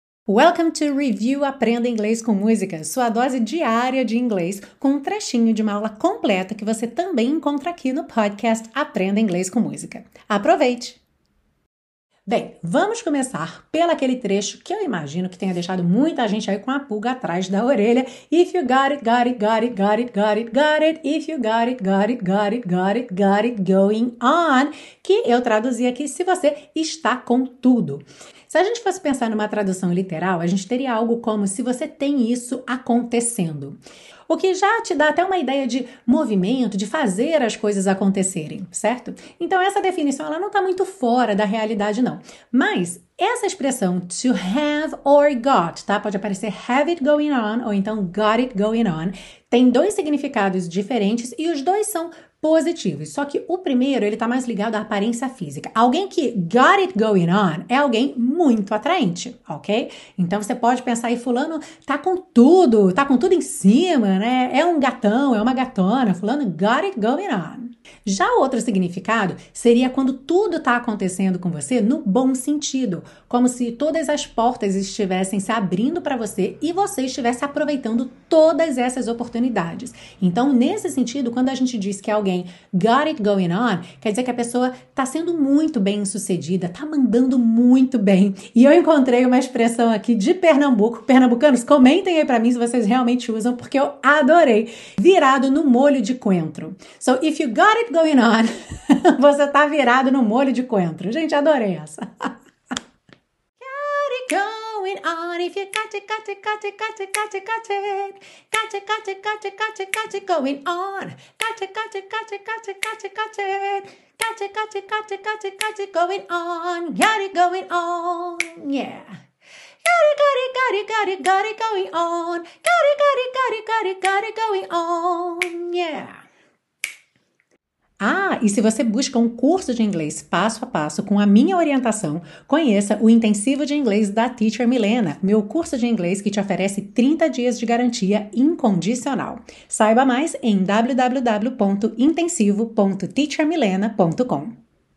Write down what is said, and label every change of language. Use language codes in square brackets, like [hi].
[en] Welcome to Review [pt] Aprenda Inglês com Música, sua dose diária de inglês, com um trechinho de uma aula completa que você também encontra aqui no podcast Aprenda Inglês com Música. Aproveite! Bem, vamos começar pelo aquele trecho que eu imagino que tenha deixado muita gente aí com a pulga atrás da orelha. [en] If you got it, got it, got it, got it, got it, got it. If you got it, got it, got it, got it, got it going on. [pt] Que eu traduzi aqui, se você está com tudo. Se a gente fosse pensar numa tradução literal, a gente teria algo como se você tem isso acontecendo. O que já te dá até uma ideia de movimento, de fazer as coisas acontecerem, certo? Então essa definição ela não está muito fora da realidade não. Mas essa expressão to have or got, tá? Pode aparecer have it going on ou então got it going on. Tem dois significados diferentes e os dois são positivos. Só que o primeiro, ele está mais ligado à aparência física. Alguém que got it going on é alguém muito atraente, ok? Então você pode pensar aí, fulano tá com tudo em cima, né? É um gatão, é uma gatona, fulano got it going on. Já o outro significado seria quando tudo está acontecendo com você no bom sentido, como se todas as portas estivessem se abrindo para você e você estivesse aproveitando todas essas oportunidades. Então, nesse sentido, quando a gente diz que alguém got it going on, quer dizer que a pessoa está sendo muito bem sucedida, está mandando muito bem. E eu encontrei uma expressão aqui de Pernambuco. Pernambucanos, comentem aí para mim se vocês realmente usam, porque eu adorei. Virado no molho de coentro. [en] So, if you got it going on. [pt] Você tá virado no molho de coentro. Gente, adorei essa. [en] Got it going on. If you got it, got it, got it, got it, got it, got it. Got it, got it, got it, got it, got it going on. Got it, got it, got it, got it, got it, got it. Got it, got it, got it, got it, got it going on. Got it going on. Yeah. Got it, got it, got it, got it, got it going on. Got it, got it, got it, got it, got it going on. Yeah. [pt] Ah, e se você busca um curso de inglês passo a passo com a minha orientação, conheça o Intensivo de Inglês da Teacher Milena, meu curso de inglês que te oferece 30 dias de garantia incondicional. Saiba mais em www.intensivo.teachermilena.com.